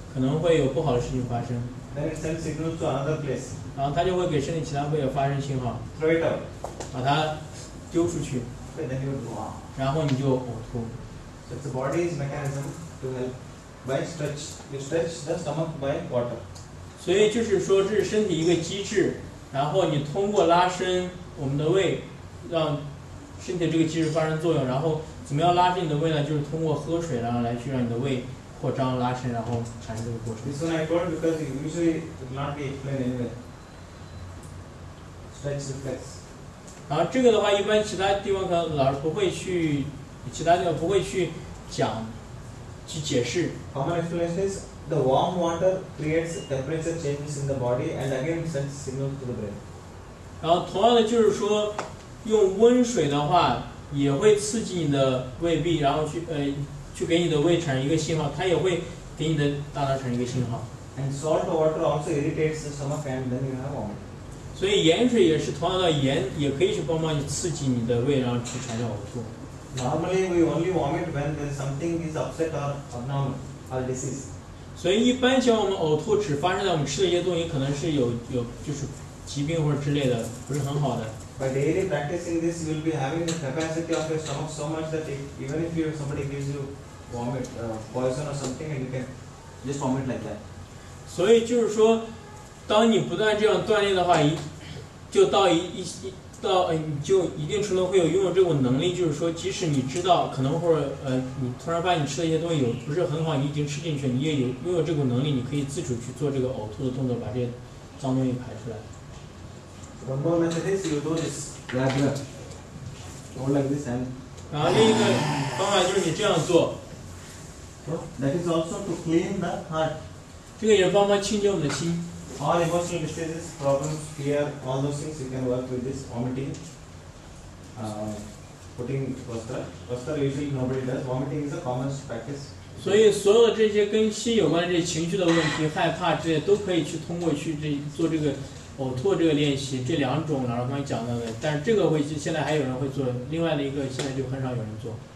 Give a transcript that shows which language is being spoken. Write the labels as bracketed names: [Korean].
[Chinese] 可能会有不好的事情发生。 [English] Then it sends signal to another place. [Chinese] 然后他就会给身体其他部位发生信号， [English] Throw it out. [Chinese] 把它丢出去，然后你就呕吐。 [English] So the body's mechanism to help by stretch, you stretch the stomach by water. [Chinese] 所以就是说这是身体一个机制，然后你通过拉伸我们的胃，让身体这个机制发生作用，然后怎么样拉伸你的胃呢？就是通过喝水，然后来去让你的胃。扩张拉伸，然后产生这个过程。 [English] This one I told because it usually does not be explained anyway. Stretch the flex. [Chinese] 然后这个的话，一般其他地方可能老师不会去，其他地方不会去讲，去解释。 [English] Common explanation is the warm water creates temperature changes in the body and again sends signal to the brain. [Chinese] 然后同样的就是说，用温水的话也会刺激你的胃壁，然后去给你的胃产生一个信号，它也会给你的大脑产生一个信号。 [English] And salt water also irritates the stomach and then you have vomiting. [Chinese] 所以盐水也是同样的，盐也可以去帮忙去刺激你的胃，然后去产生呕吐。 [English] Normally we only vomit when there is something is upset or abnormal or disease. [Chinese] 所以一般像我们呕吐只发生在我们吃的一些东西，可能是有就是疾病或者之类的，不是很好的。 [English] By daily practicing this, you will be having the capacity of your stomach so much that even if somebody gives you vomit, poison or something, and you can just vomit like that. [Chinese] 所以就是说，当你不断这样锻炼的话，就到一到你就一定程度会有拥有这种能力，就是说即使你知道可能或者你突然发现你吃的一些东西有不是很好，你已经吃进去，你也有拥有这种能力，你可以自主去做这个呕吐的动作，把这脏东西排出来。然后另一个方法就是你这样做。 [English] That is also to clean the heart. [Chinese] 这个也帮忙清洁我们的心。 [English] All emotional distresses, problems, fear, all those things you can work with this vomiting, putting vastra. Vastra usually nobody does. Vomiting is a common practice. [Chinese] 所以所有的这些跟心有关的这些情绪的问题、害怕这些，都可以去通过去这做这个。呕吐这个练习，这两种老师刚才讲到的，但是这个会现在还有人会做，另外的一个现在就很少有人做。